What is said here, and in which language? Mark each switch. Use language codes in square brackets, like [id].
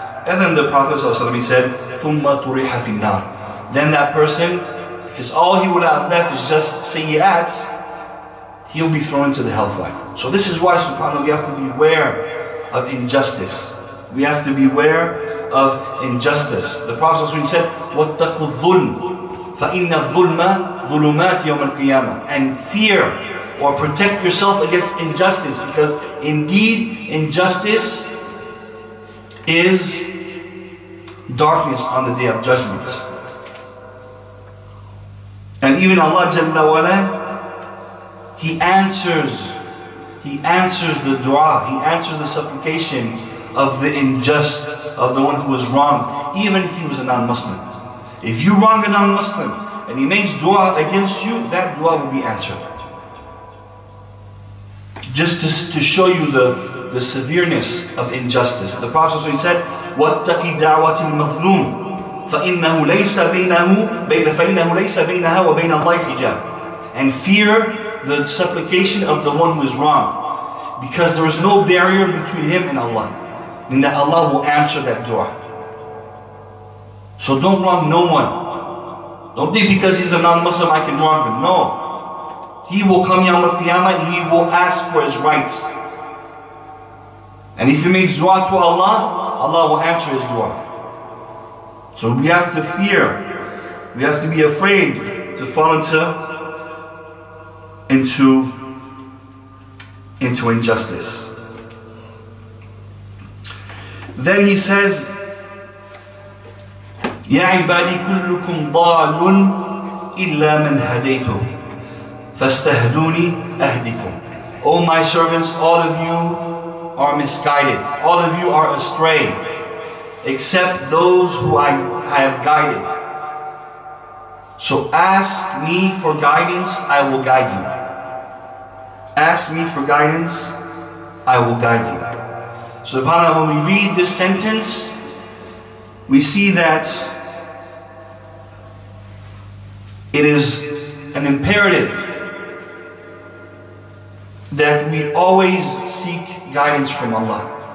[en] And then the Prophet ﷺ said, [ar] ثُمَّ تُرِحَ فِي النَّارِ. [en] Then that person, because all he would have left is just sayyat, he'll be thrown into the hellfire. So this is why, subhanAllah, we have to beware of injustice. We have to beware of injustice. The Prophet said, [ar] وَاتَّقُوا الظُّلْمِ فَإِنَّ الظُّلْمَ ظُلُمَاتِ يَوْمَ الْقِيَامَةِ. [en] And fear, or protect yourself against injustice, because indeed injustice is darkness on the Day of Judgment. And even Allah Jalla Wala, He answers the dua, He answers the supplication of the unjust, of the one who was wrong, even if he was a non-Muslim. If you wrong a non-Muslim and he makes dua against you, that dua will be answered. Just to show you the severeness of injustice. The Prophet said, [ar] وَاتَّقِ دَعْوَةِ الْمَظْلُومِ فَإِنَّهُ لَيْسَ بَيْنَهُ فَإِنَّهُ لَيْسَ بَيْنَهَا وَبَيْنَ اللَّهِ حِجَابٍ. [en] And fear the supplication of the one who is wrong, because there is no barrier between him and Allah, and that Allah will answer that dua. So don't wrong no one. Don't think because he's a non-Muslim I can wrong him. No. He will come Yawm al-Qiyamah and he will ask for his rights. And if he makes dua to Allah, Allah will answer his dua. So we have to fear, we have to be afraid to fall into injustice. Then he says, [ar] يَا عِبَادِي كُلُّكُمْ ضَالٌ إِلَّا مَنْ هَدَيْتُ فَاسْتَهْدُونِي أَهْدِكُمْ. [en] Oh my servants, all of you are misguided, all of you are astray, except those who I have guided. So ask me for guidance, I will guide you. Ask me for guidance, I will guide you. So subhanAllah, when we read this sentence, we see that it is an imperative that we always seek guidance from Allah.